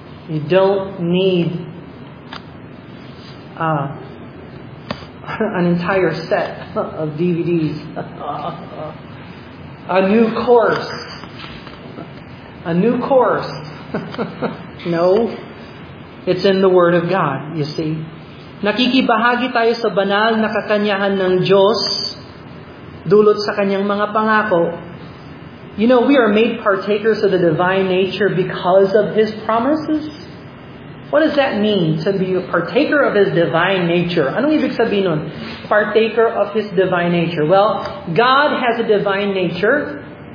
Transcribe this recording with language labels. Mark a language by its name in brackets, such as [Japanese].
[English] You don't need an entire set of DVDs, a new course. No, it's in the Word of God, you see. [Filipino] Nakikibahagi tayo sa banal na kakanyahan ng Diyos dulot sa kanyang mga pangako. [English] You know, we are made partakers of the divine nature because of His promises. What does that mean, to be a partaker of His divine nature? [Filipino] Anong ibig sabihin nun? [English] Partaker of His divine nature. Well, God has a divine nature.